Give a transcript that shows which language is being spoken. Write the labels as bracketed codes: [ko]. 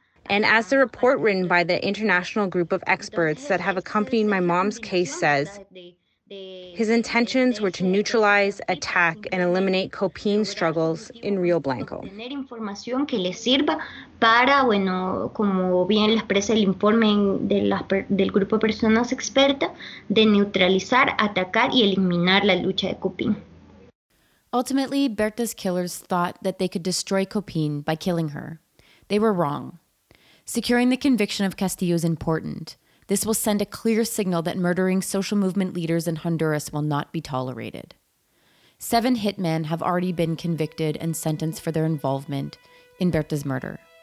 [en] And as the report written by the international group of experts that have accompanied my mom's case says, his intentions were to neutralize, attack, and eliminate Copin struggles in Rio Blanco. [es] Tener información que le sirva para, bueno, como bien lo expresa el informe del grupo de personas expertas, de neutralizar, atacar y eliminar la lucha de Copin. [en] Ultimately, Berta's killers thought that they could destroy Copin by killing her. They were wrong. Securing the conviction of Castillo is important. This will send a clear signal that murdering social movement leaders in Honduras will not be tolerated. 7 hitmen have already been convicted and sentenced for their involvement in Berta's murder.